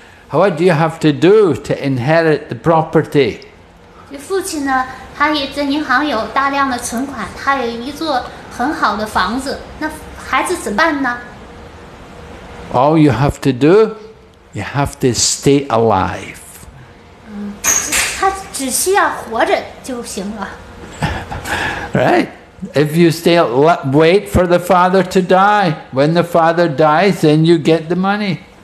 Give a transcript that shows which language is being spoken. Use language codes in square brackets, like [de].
[en] What do you have to do to inherit the property? [zh] 父亲呢，他也在银行有大量的存款，他有一座很好的房子。那孩子怎么办呢？ [en] All you have to do, you have to stay alive. [zh] 他只需要活着就行了。 [en] Right? If you stay, wait for the father to die. When the father dies, then you get the money.